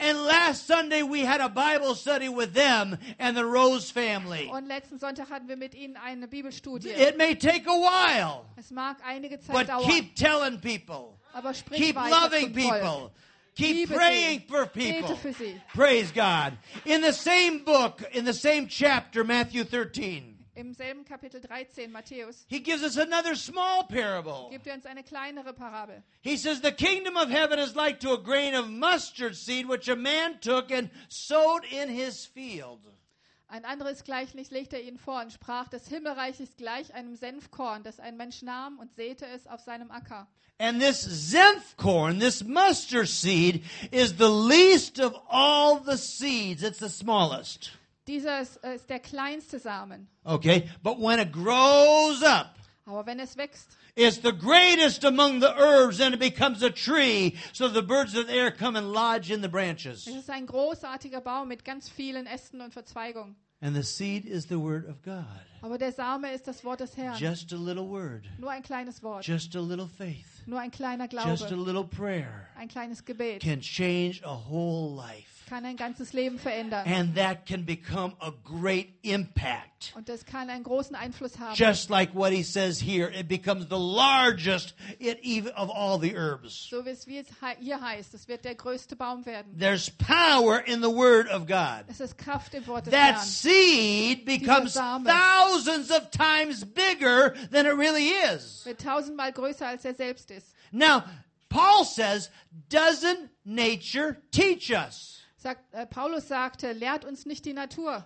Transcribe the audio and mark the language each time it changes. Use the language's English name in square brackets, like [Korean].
[English] And last Sunday we had a Bible study with them and the Rose family. [German] Und letzten Sonntag hatten wir mit ihnen eine Bibelstudie. [English] It may take a while. [German] Es mag einige Zeit [English] but [German] dauern. [English] But keep telling people. [German] Aber sprich weiter. [English] Keep loving people. Keep [German] Liebe [English] praying [German] sie. [English] For people. [German] Bete für sie. [English] Praise God. In the same book, in the same chapter, Matthew 13. [German] Im selben Kapitel 13, Matthäus. [English] He gives us another small parable. [German] Gibt uns eine kleinere Parabel. [English] He says, the kingdom of heaven is like to a grain of mustard seed, which a man took and sowed in his field. [German] Ein anderes Gleichnis legte er ihnen vor und sprach, das Himmelreich ist gleich einem Senfkorn, das ein Mensch nahm und säte es auf seinem Acker. [English] And this Senfkorn, this mustard seed, is the least of all the seeds. It's the smallest. [German] Dieser ist der kleinste Samen. [English] Okay, but when it grows up, [German] aber wenn es wächst, [English] it's the greatest among the herbs and it becomes a tree, so the birds of the air come and lodge in the branches. [German] Es ist ein großartiger Baum mit ganz vielen Ästen und Verzweigungen. [English] And the seed is the word of God. [German] Aber der Same ist das Wort des Herrn. [English] Just a little word. [German] Nur ein kleines Wort. [English] Just a little faith. [German] Nur ein kleiner Glaube. [English] Just a little prayer. [German] Ein kleines Gebet. [English] Can change a whole life. [German] Kann ein ganzes Leben verändern. [English] And that can become a great impact. [German] Und das kann einen großen Einfluss haben. [English] Just like what he says here, it becomes the largest of all the herbs. [German] So wie es hier heißt, es wird der größte Baum werden. [English] There's power in the word of God. [German] Es ist Kraft im Wort des [English] that [German] Herrn. [English] That seed becomes thousands of times bigger than it really is. [German] Wird tausendmal größer als er selbst ist. [English] Now, Paul says, doesn't nature teach us? [German] Paulus sagte, lehrt uns nicht die Natur.